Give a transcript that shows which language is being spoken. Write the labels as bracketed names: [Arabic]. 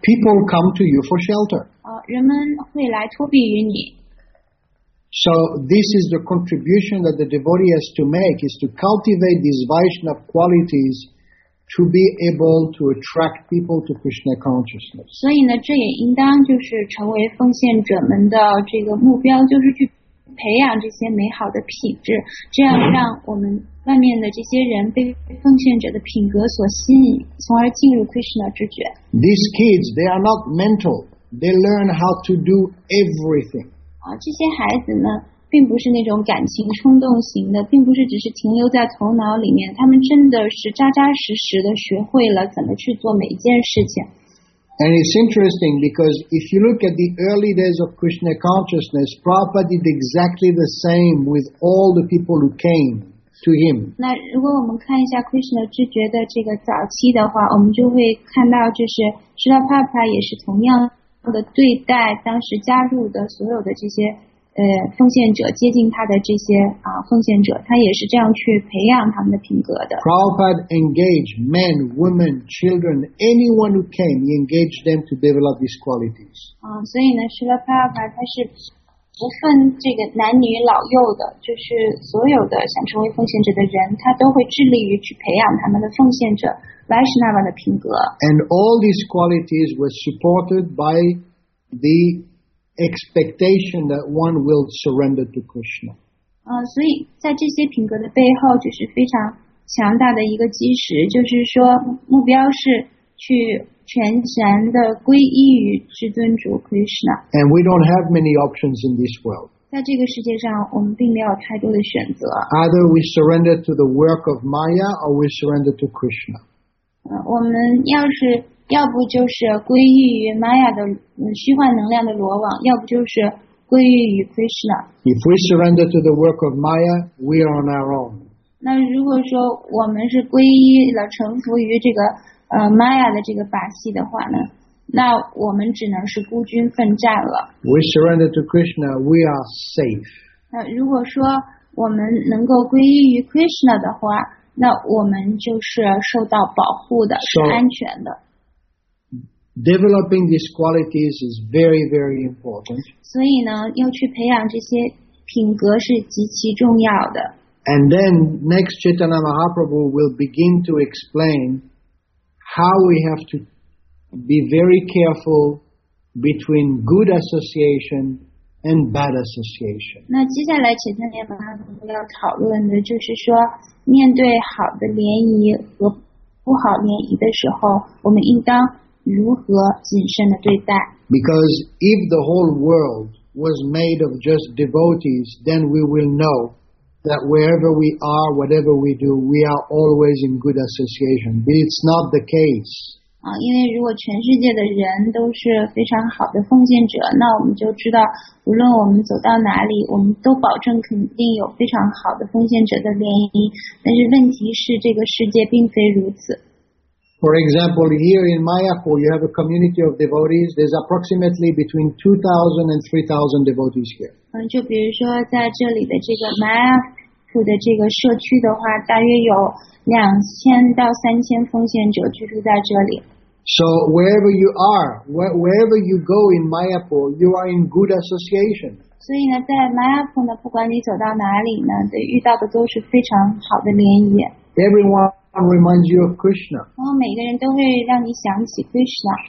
[English] People come to you for shelter. [Chinese] 人们会来托庇于你。 [English] So this is the contribution that the devotee has to make, is to cultivate these Vaishnava qualities to be able to attract people to Krishna consciousness. [Chinese] 所以呢，这也应当就是成为奉献者们的这个目标，就是去培养这些美好的品质，这样让我们外面的这些人被奉献者的品格所吸引，从而进入 Krishna 之觉。 [English] These kids, they are not mental. They learn how to do everything. [Chinese] 这些孩子呢，并不是那种感情冲动型的，并不是只是停留在头脑里面，他们真的是扎扎实实的学会了怎么去做每一件事情。 [English] And it's interesting because if you look at the early days of Krishna consciousness, Prabhupada did exactly the same with all the people who came to him. [Chinese] 那如果我们看一下 Krishna 知觉的这个早期的话，我们就会看到，就是知道 Prabhupada 也是同样的对待当时加入的所有的这些奉献者，接近他的这些奉献者，他也是这样去培养他们的品格的。 [English] Prabhupada engaged men, women, children, anyone who came, he engaged them to develop these qualities. [Chinese] 所以呢，Srila Prabhupada他是不分这个男女老幼的，就是所有的想成为奉献者的人，他都会致力于去培养他们的奉献者Vaishnava 的品格。 [English] And all these qualities were supported by the expectation that one will surrender to Krishna. [Chinese] 所以在这些品格的背后，就是非常强大的一个基石，就是说目标是去全然的皈依于至尊主 Krishna. [English] And we don't have many options in this world. [Chinese] 在这个世界上，我们并没有太多的选择。 [English] Either we surrender to the work of Maya, or we surrender to Krishna. [Chinese] 我们要是要不就是皈依于玛雅的虚幻能量的罗网，要不就是皈依于 Krishna。 [English] If we surrender to the work of Maya, we are on our own. [Chinese] 那如果说我们是皈依了臣服于这个玛雅的这个把戏的话呢，那我们只能是孤军奋战了。 [English] We surrender to Krishna, we are safe. [Chinese] 那如果说我们能够皈依于 Krishna 的话，那我们就是受到保护的，是安全的。 [English] Developing these qualities is very, very important. [Chinese] 所以呢，要去培养这些品格是极其重要的。 [English] And then next Chaitanya Mahaprabhu will begin to explain how we have to be very careful between good association and bad association. [Chinese] 那接下来Chaitanya Mahaprabhu要讨论的就是说，面对好的联谊和不好联谊的时候，我们应当如何谨慎的对待。 [English] Because if the whole world was made of just devotees, then we will know that wherever we are, whatever we do, we are always in good association. But it's not the case. [Chinese] 因为如果全世界的人都是非常好的奉献者，那我们就知道，无论我们走到哪里，我们都保证肯定有非常好的奉献者的联谊。但是问题是，这个世界并非如此。 [English] For example, here in Mayapur, you have a community of devotees. There's approximately between 2,000 and 3,000 devotees here. [Chinese] 就比如说在这里的这个 Mayapur 的这个社区的话，大约有2000到3000奉献者居住在这里。 [English] So wherever you are, wherever you go in Mayapur, you are in good association. [Chinese] 所以呢，在 Mayapur 呢，不管你走到哪里呢，遇到的都是非常好的联谊。 [English] Everyone reminds you of Krishna. [Chinese] 每个人都会让你想起 Krishna.